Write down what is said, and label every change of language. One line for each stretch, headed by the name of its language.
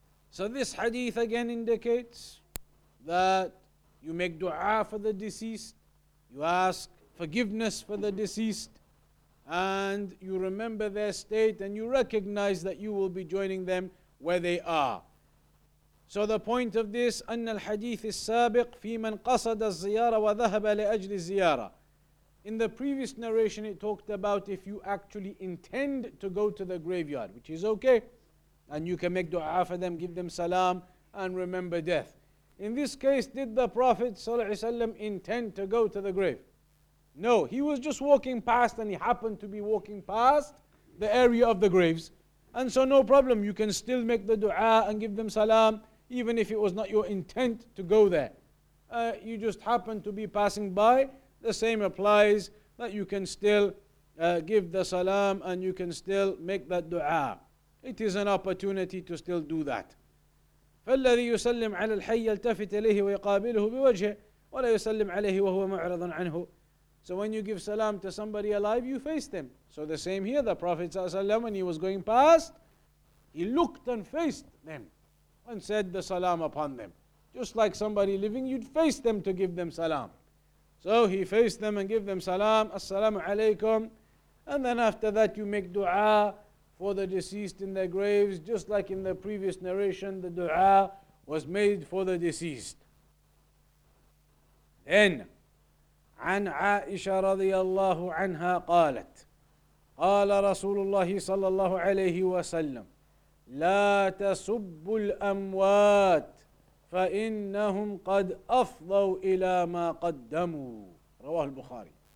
English: So this hadith again indicates that you make dua for the deceased, you ask forgiveness for the deceased, and you remember their state, and you recognize that you will be joining them where they are. So the point of this,
Arabic: أن الحديث السابق في من قصد الزيارة وذهب لأجل الزيارة.
English: In the previous narration, it talked about if you actually intend to go to the graveyard, which is okay, and you can make dua for them, give them salam, and remember death. In this case, did the Prophet ﷺ intend to go to the grave? No, he was just walking past, and he happened to be walking past the area of the graves. And so no problem, you can still make the dua and give them salam, even if it was not your intent to go there. You just happened to be passing by. The same applies that you can still give the salam and you can still make that dua. It is an opportunity to still do that.
Arabic: فالذي يسلم على الحي يلتفت إليه ويقابله بوجهه ولا يسلم عليه وهو معرض عنه.
English: So when you give salam to somebody alive, you face them. So the same here, the Prophet ﷺ, when he was going past, he looked and faced them and said the salam upon them. Just like somebody living, you'd face them to give them salam. So he faced them and gave them salam, assalamu alaykum. And then after that you make dua for the deceased in their graves, just like in the previous narration, the dua was made for the deceased.
Arabic: Then, عن عائشة رضي الله عنها قالت قال رسول الله صلى الله عليه وسلم لا تسبوا الأموات فَإِنَّهُمْ قَدْ أَفْضَوْا إِلَى مَا قَدَّمُوا رواه البخاري.